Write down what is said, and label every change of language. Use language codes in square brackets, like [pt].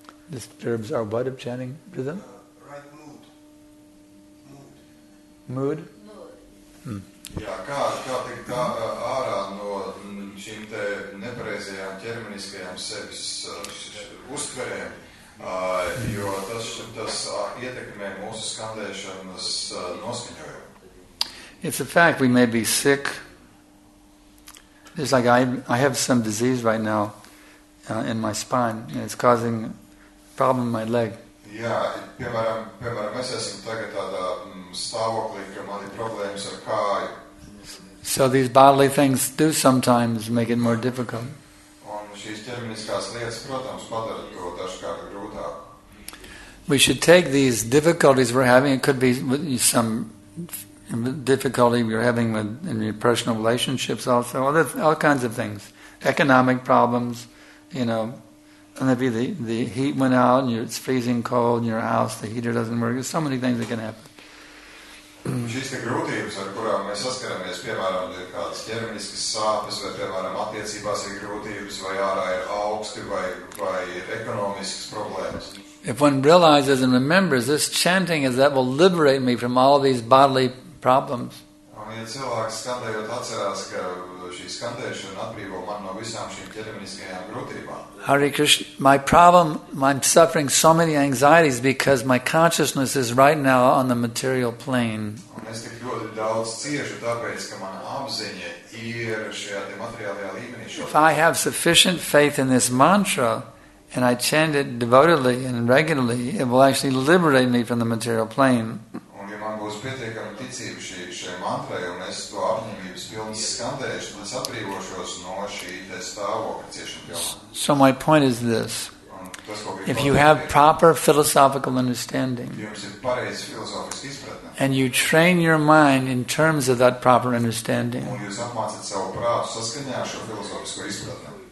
[en] disturbs our what of chanting rhythm? Right mood. Mood? Mood. Hmm. [lv] Yeah, kā tik ārā no šīm te nepareizajām ķermeniskajām sevis uztverēm, jo tas ietekmē mūsu skandēšanas noskaņojumu. [en] It's a fact we may be sick. It's like I have some disease right now in my spine. And it's causing a problem in my leg. [lv] Yeah, piemēram, es esmu tagad tādā stāvoklī, ka man ir problēmas ar kāju. [en] So these bodily things do sometimes make it more difficult. [lv] Un šīs ķermeniskās lietas, protams, padara to dažkārt grūtāk. [en] We should take these difficulties we're having. It could be some difficulty you're having with in your personal relationships also, all kinds of things, economic problems, you know, maybe the heat went out and it's freezing cold in your house, the heater doesn't work, there's so many things that can happen. [lv] Šīs te grūtības, ar kurām mēs saskaramies, piemēram, ir kādas ķermeniskas sāpes, vai, piemēram, attiecībās ir grūtības, vai ārā ir augsti, vai ir ekonomiskas problēmas. [en] If one realizes and remembers this chanting is that will liberate me from all these bodily problems. [lv] Un, ja cilvēks skandējot atcerās, ka šī skandēšana atbrīvo mani no visām šīm ķermeniskajām grūtībām. [en] Hare Krishna, my problem, I'm suffering so many anxieties because my consciousness is right now on the material plane. [lv] Un es tik ļoti daudz ciešu tāpēc, ka mana apziņa ir šajā materiālajā līmenī. [en] If I have sufficient faith in this mantra, and I chant it devotedly and regularly, it will actually liberate me from the material plane. [lv] Un, ja man būs pietiekami ticība šiem mantrai, un es to apņemības pilnas skandēšu, un es atbrīvošos no šī te stāvokļa ciešana pilnā. [en] So my point is this. [lv] Tas, [en] if you have proper philosophical understanding, [lv] jums ir pareizs filozofisks izpratne, [en] and you train your mind in terms of that proper understanding, [lv] un jūs apmācat savu prātu saskaņā šo filozofisko izpratni,